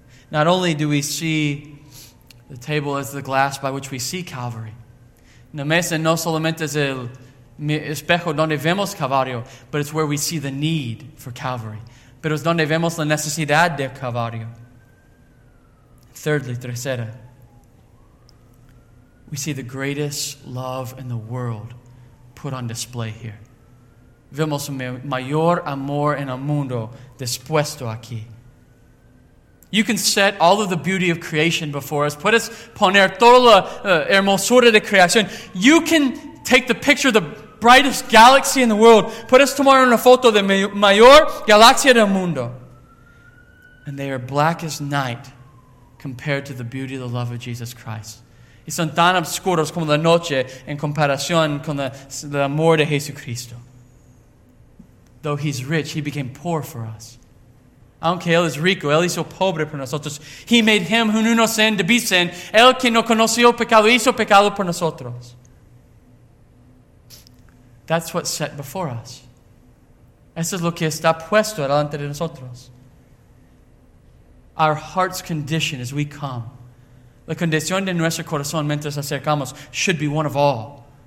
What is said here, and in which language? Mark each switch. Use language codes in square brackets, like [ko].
[en] Not only do we see the table as the glass by which we see Calvary, [es] la mesa no solamente es el espejo donde vemos Calvario, [en] but it's where we see the need for Calvary. [es] Pero es donde vemos la necesidad de Calvario. [en] Thirdly, tercera, we see the greatest love in the world put on display here. [es] Vemos mayor amor en el mundo dispuesto aquí. [en] You can set all of the beauty of creation before us. [es] Puedes poner toda la hermosura de creación. [en] You can take the picture of the brightest galaxy in the world. [es] Puedes tomar una foto de mayor galaxia del mundo. [en] And they are black as night compared to the beauty of the love of Jesus Christ. [es] Y son tan oscuros como la noche en comparación con el amor de Jesucristo. [en] Though he's rich, he became poor for us. [es] Aunque él es rico, él hizo pobre por nosotros. [en] He made him who knew no sin to be sin. [es] Él que no conoció pecado, hizo pecado por nosotros. [en] That's what's set before us. [es] Eso es lo que está puesto delante de nosotros. [en] Our heart's condition as we come, [es] la condición de nuestro corazón mientras acercamos, [en] should be one of awe.